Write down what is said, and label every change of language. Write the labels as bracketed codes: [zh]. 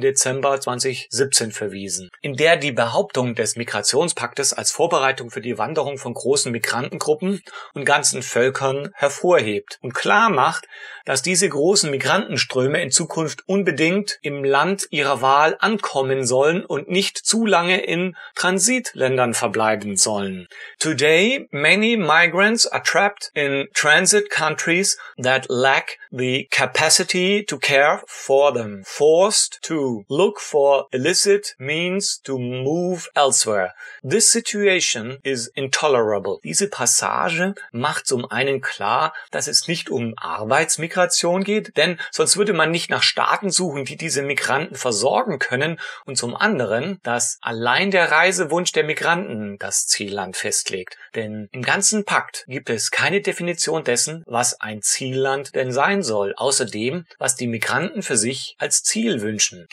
[de] Dezember 2017 verwiesen, in der die Behauptung des Migrationspaktes als Vorbereitung für die Wanderung von großen Migrantengruppen und ganzen Völkern hervorhebt und klar macht, dass diese großen Migrantenströme in Zukunft unbedingt im Land ihrer Wahl ankommen sollen und nicht zu lange in Transitländern verbleiben sollen. [en] Today, many migrants are trapped in transit countries that lack the capacity to care for them, forced to look for illicit means to move elsewhere. This situation is intolerable. [de] Diese Passage macht zum einen klar, dass es nicht um Arbeitsmigration geht, denn sonst würde man nicht nach Staaten suchen, die diese Migranten versorgen können, und zum anderen, dass allein der Reisewunsch der Migranten das Zielland festlegt. Denn im ganzen Pakt gibt es keine Definition dessen, was ein Zielland denn sein soll, außer dem, was die Migranten für sich als Ziel wünschen.